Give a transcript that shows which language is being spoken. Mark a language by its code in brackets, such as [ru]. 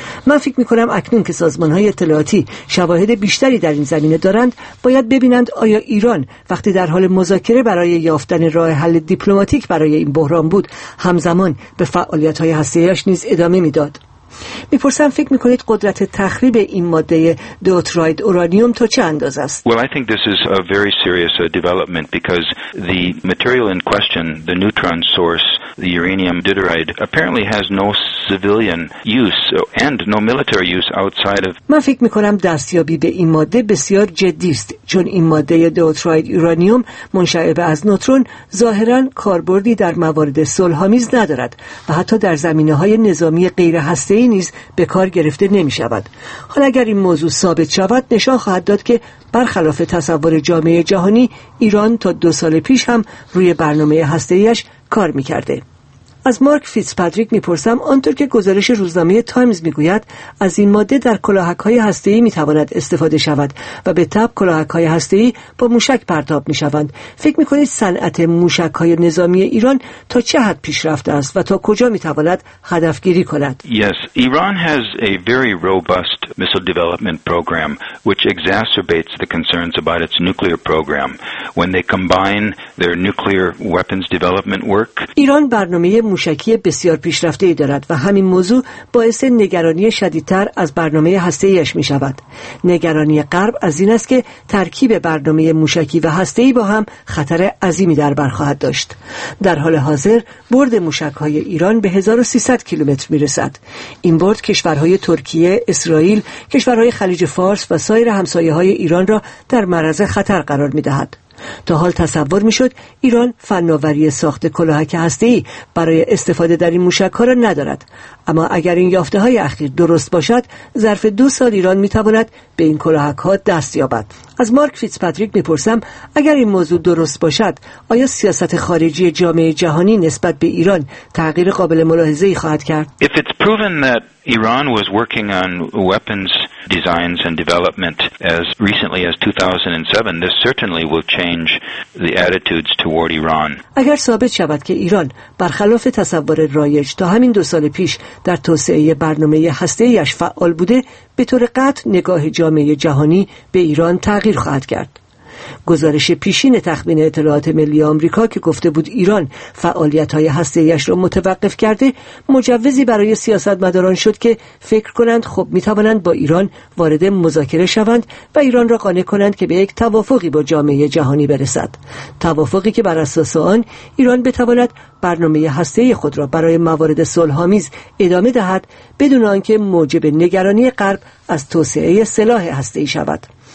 [fa] من فکر می‌کنم اکنون که سازمان‌های اطلاعاتی شواهد بیشتری در این زمینه دارند، باید ببینند آیا ایران وقتی در حال مذاکره برای یافتن راه حل دیپلماتیک برای این بحران بود، همزمان به فعالیت‌های هسته‌ای‌اش نیز ادامه می‌داد. می‌پرسم فکر می‌کنید قدرت تخریب این ماده دوترید اورانیوم تا چه اندازه است؟ [en] Well, I think this is a very serious development because the material in question, the neutron source, the uranium deuteride, apparently has no civilian use and no military use outside of. [fa] من فکر می‌کنم دستیابی به این ماده بسیار جدی است، چون این ماده دوترید اورانیوم منشأ از نوترون ظاهراً کاربردی در موارد صلح‌آمیز ندارد و حتی در زمینه‌های نظامی غیر هسته‌ای نیز به کار گرفته نمی شود. حالا اگر این موضوع ثابت شود، نشان خواهد داد که برخلاف تصور جامعه جهانی، ایران تا دو سال پیش هم روی برنامه هسته‌ایش کار می کرده. از مارک فیتزپاتریک می پرسم آنطور که گزارش روزنامه تایمز می گوید از این ماده در کلاهک‌های هسته‌ای می تواند استفاده شود و به تبع کلاهک‌های هسته‌ای با موشک پرتاب می شوند. فکر می کنید صنعت موشک‌های نظامی ایران تا چه حد پیشرفته است و تا کجا می تواند هدفگیری کند؟ [en] Yes, Iran has a very robust missile development program which exacerbates the concerns about its nuclear program when they combine their nuclear weapons development work. [fa] ایران برنامه موشکی بسیار پیشرفته ای دارد و همین موضوع باعث نگرانی شدیدتر از برنامه هسته‌ایش می شود. نگرانی غرب از این است که ترکیب برنامه موشکی و هسته‌ای با هم خطر عظیمی در بر خواهد داشت. در حال حاضر برد موشک های ایران به 1300 کیلومتر می رسد. این برد کشورهای ترکیه، اسرائیل، کشورهای خلیج فارس و سایر همسایه های ایران را در معرض خطر قرار می دهد. تا حال تصور می‌شد ایران فناوری ساخت کلاهک هسته‌ای برای استفاده در این موشک‌ها را ندارد، اما اگر این یافته‌های اخیر درست باشد، ظرف دو سال ایران می‌تواند به این کلاهک‌ها دست یابد. از مارک فیتزپاتریک می‌پرسم اگر این موضوع درست باشد، آیا سیاست خارجی جامعه جهانی نسبت به ایران تغییر قابل ملاحظه‌ای خواهد کرد؟ [en] If it's proven that Iran was working on weapons designs and development as recently as 2007, this certainly will change the attitudes toward Iran. [fa] اگر ثابت شود که ایران برخلاف تصور رایج تا همین دو سال پیش در توسعه برنامه هسته‌ایش فعال بوده، به طور قطع نگاه جامعه جهانی به ایران تغییر خواهد کرد. گزارش پیشین تخمین اطلاعات ملی آمریکا که گفته بود ایران فعالیت‌های هسته‌ایش را متوقف کرده، مجوزی برای سیاستمداران شد که فکر کنند خب می‌توانند با ایران وارد مذاکره شوند و ایران را قانع کنند که به یک توافقی با جامعه جهانی برسد، توافقی که بر اساس آن ایران بتواند برنامه هسته‌ای خود را برای موارد صلح‌آمیز ادامه دهد بدون آنکه موجب نگرانی غرب از توسعه سلاح هسته‌ای شود.